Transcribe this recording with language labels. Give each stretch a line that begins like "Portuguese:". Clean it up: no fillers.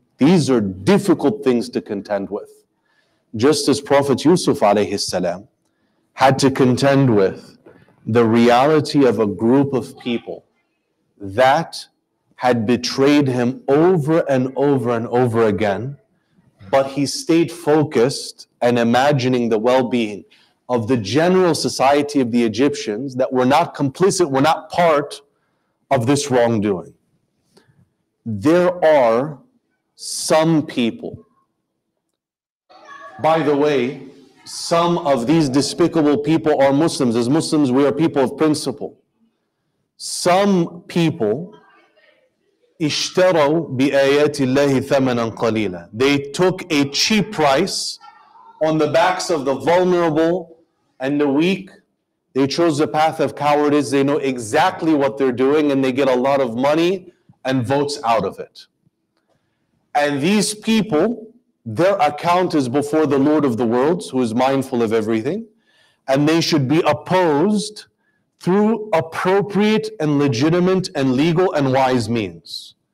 English: These are difficult things to contend with. Just as Prophet Yusuf alayhi salam had to contend with the reality of a group of people that had betrayed him over and over and over again, but he stayed focused and imagining the well-being of the general society of the Egyptians that were not complicit, were not part of this wrongdoing. There are some people. By the way, some of these despicable people are Muslims. As Muslims, we are people of principle. Some people,
Arabic: اشتروا بآيات الله ثمنا قليلا.
English: They took a cheap price on the backs of the vulnerable and the weak. They chose the path of cowardice. They know exactly what they're doing, and they get a lot of money and votes out of it. And these people, their account is before the Lord of the worlds, who is mindful of everything, and they should be opposed through appropriate and legitimate and legal and wise means.